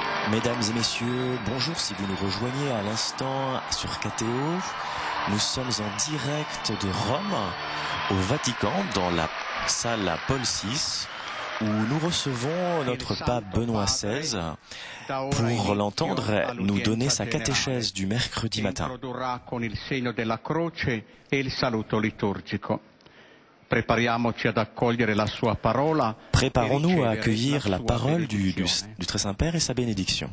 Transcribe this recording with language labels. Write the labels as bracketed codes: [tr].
[fr] Mesdames et messieurs, bonjour si vous nous rejoignez à l'instant sur KTO. Nous sommes en direct de Rome, au Vatican, dans la salle Paul VI, où nous recevons notre pape Benoît XVI pour l'entendre nous donner sa catéchèse du mercredi matin. [it] Con il segno della croce e il saluto liturgico. Prepariamoci ad accogliere la sua parola. [fr] Préparons-nous à accueillir la parole du très saint père et sa bénédiction.